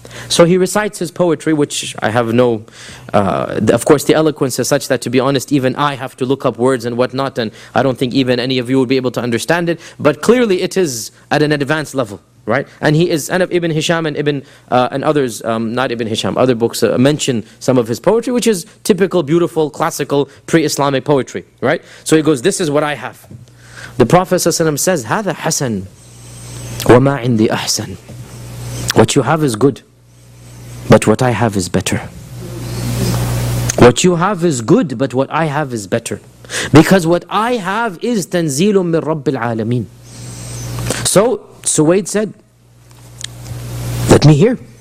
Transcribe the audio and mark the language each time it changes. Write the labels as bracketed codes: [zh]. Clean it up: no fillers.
[en] So he recites his poetry, which I have no... of course, the eloquence is such that, to be honest, even I have to look up words and whatnot, and I don't think even any of you would be able to understand it. But clearly it is at an advanced level, right? And he is... And Ibn Hisham and Ibn... and others, not Ibn Hisham, other books mention some of his poetry, which is typical, beautiful, classical, pre-Islamic poetry, right? So he goes, this is what I have. The Prophet ﷺ says, [ar] هذا حسن وما عندي أحسن. [en] What you have is good, but what I have is better. What you have is good, but what I have is better. Because what I have is [ar] تنزيل من رب العالمين. [en] So Suwayd said, let me hear.